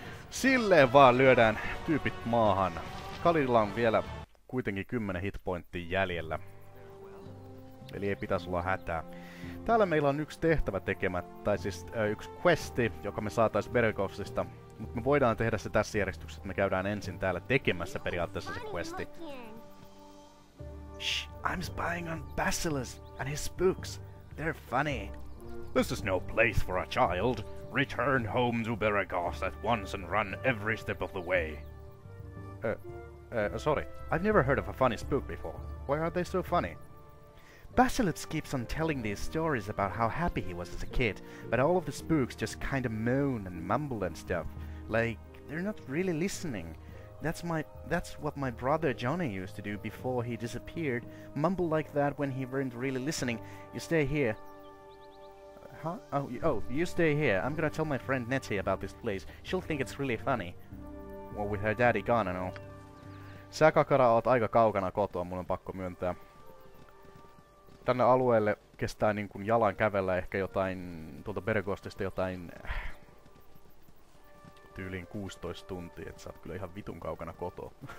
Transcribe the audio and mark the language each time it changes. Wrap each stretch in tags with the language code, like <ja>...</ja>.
<fi>Silleen vaan lyödään tyypit maahan. Khalidilla on vielä kuitenkin 10 hitpointtia jäljellä. Eli ei pitäisi olla hätää. Täällä meillä on yksi tehtävä tekemättä, tai siis yksi questi, joka me saatais Berghoffsista. Mutta me voidaan tehdä se tässä järjestyksessä, että me käydään ensin täällä tekemässä periaatteessa se questi.</fi> <en>Shh, I'm spying on Basilisk and his spooks. They're funny. This is no place for a child. Return home to Beregoth at once and run every step of the way. Sorry. I've never heard of a funny spook before. Why are they so funny? Basilisk keeps on telling these stories about how happy he was as a kid, but all of the spooks just kinda moan and mumble and stuff. Like, they're not really listening. That's what my brother Johnny used to do before he disappeared. Mumble like that when he weren't really listening. You stay here. Huh? You stay here. I'm gonna tell my friend Nettie about this place. She'll think it's really funny. Well, with her daddy gone and all.</en> <fi>Sä, Kakara, oot aika kaukana kotoa, mun on pakko myöntää. Tänne alueelle kestää niin kuin jalan kävellä ehkä jotain tuolta Bergostista jotain tyyliin 16 tuntia, et sä oot kyllä ihan vitun kaukana kotoa.</fi>